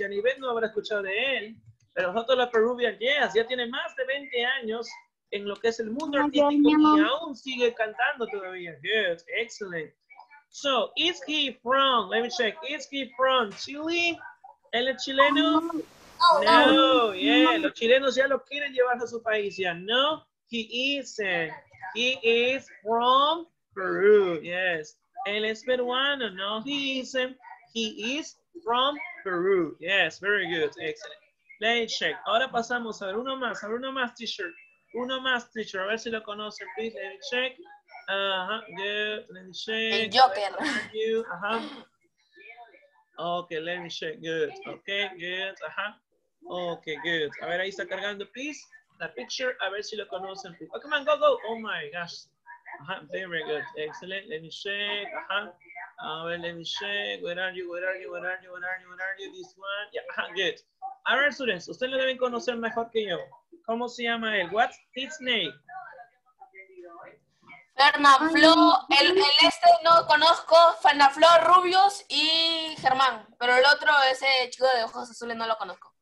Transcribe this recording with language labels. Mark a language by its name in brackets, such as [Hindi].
[Spanish] Yanibet no habrá escuchado de él. Pero nosotros la [English] Peruvian, yes. [Spanish] Ya tiene más de 20 años en lo que es el mundo artístico y aún sigue cantando todavía. [English] Good. Excellent. So, is he from, let me check, is he from Chile? [Spanish] ¿Él es chileno? No, yeah, los chilenos ya lo quieren llevar a su país, ya. [English] Yeah. No, he isn't. He is from Peru, yes. [Spanish] Él es peruano, [English] no, he isn't. He is from Peru, yes, very good, excellent. Let's check. [Spanish] Ahora pasamos a ver uno más, teacher, a ver si lo conocen, please, [English] let me check. Uh-huh, good, let me check. [Spanish] El Joker. [English] Uh-huh. Okay, let me check, good, okay, good, ajá. Okay, good. [Spanish] A ver, ahí está cargando, please, la picture, a ver si lo conocen. [English] Oh, come on, go, go, oh my gosh. Ajá, very good, excellent, let me check, ajá. [Spanish] A ver, [English] let me check, where are you, where are you, where are you, where are you, where are you, this one, yeah, ajá, good. [Spanish] A ver, students, ustedes lo deben conocer mejor que yo. ¿Cómo se llama él? [English] What's his name? [Spanish] Fernaflo, el este no conozco, Fernaflo Rubios y Germán, pero el otro, ese chico de ojos azules, no lo conozco.